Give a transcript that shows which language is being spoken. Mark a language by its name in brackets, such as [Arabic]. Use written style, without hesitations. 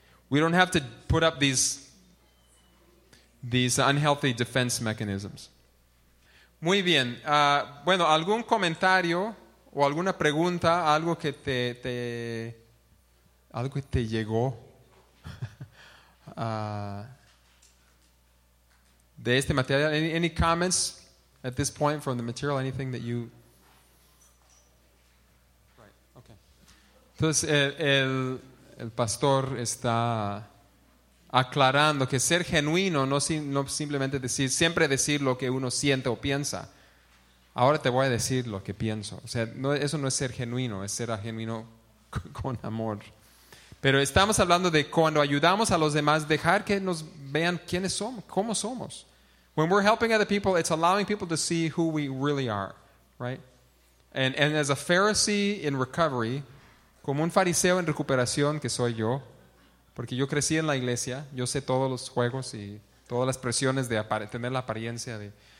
[English] We don't have to put up these unhealthy defense mechanisms. [Spanish] Muy bien. Bueno, algún comentario o alguna pregunta, algo que te llegó de este material. [English] Any comments at this point from the material? Anything that you [Spanish] Entonces, el pastor está aclarando que ser genuino no simplemente decir, siempre decir lo que uno siente o piensa. Ahora te voy a decir lo que pienso. O sea, no, eso no es ser genuino, es ser genuino con amor. Pero estamos hablando de cuando ayudamos a los demás, dejar que nos vean quiénes somos, cómo somos. [English] When we're helping other people, it's allowing people to see who we really are, right? And as a Pharisee in recovery, [Spanish] como un fariseo en recuperación que soy yo, porque yo crecí en la iglesia, yo sé todos los juegos y todas las presiones de tener la apariencia de.